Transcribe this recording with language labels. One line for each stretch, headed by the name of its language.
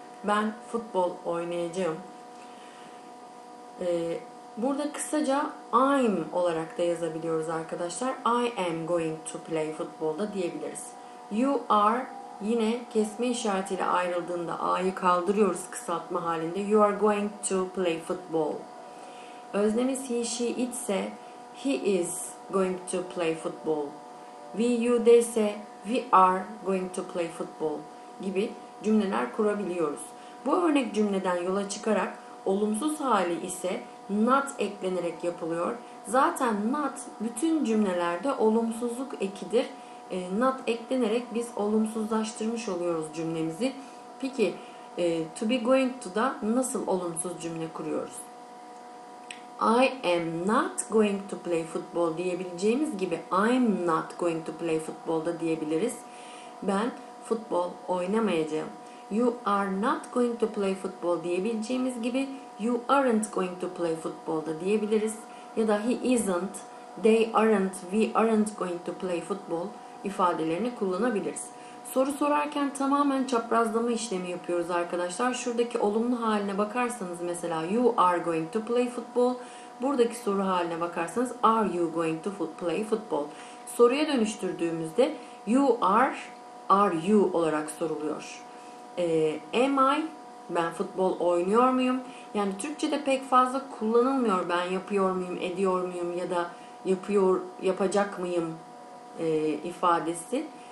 Turkish: Ben futbol oynayacağım. Burada kısaca I'm olarak da yazabiliyoruz arkadaşlar.
English: I am going to play football
Turkish: da diyebiliriz.
English: You are
Turkish: yine kesme işaretiyle ayrıldığında A'yı kaldırıyoruz kısaltma halinde.
English: You are going to play football. Öznemiz he, she, it ise he is going to play football. We, you, they ise we are going to play football
Turkish: gibi cümleler kurabiliyoruz. Bu örnek cümleden yola çıkarak olumsuz hali ise not eklenerek yapılıyor. Zaten not bütün cümlelerde olumsuzluk ekidir. Not eklenerek biz olumsuzlaştırmış oluyoruz cümlemizi. Peki to be going to da nasıl olumsuz cümle kuruyoruz?
English: I am not going to play football
Turkish: diyebileceğimiz gibi
English: I'm not going to play football
Turkish: da diyebiliriz. Ben futbol oynamayacağım.
English: You are not going to play football
Turkish: diyebileceğimiz gibi
English: you aren't going to play football
Turkish: da diyebiliriz. Ya da
English: he isn't, they aren't, we aren't going to play football
Turkish: ifadelerini kullanabiliriz. Soru sorarken tamamen çaprazlama işlemi yapıyoruz arkadaşlar. Şuradaki olumlu haline bakarsanız mesela
English: you are going to play football.
Turkish: Buradaki soru haline bakarsanız
English: are you going to play football?
Turkish: Soruya dönüştürdüğümüzde you are you olarak soruluyor.
English: Am I,
Turkish: ben futbol oynuyor muyum? Yani Türkçe'de pek fazla kullanılmıyor ben yapıyor muyum, ediyor muyum ya da yapacak mıyım ifadesi.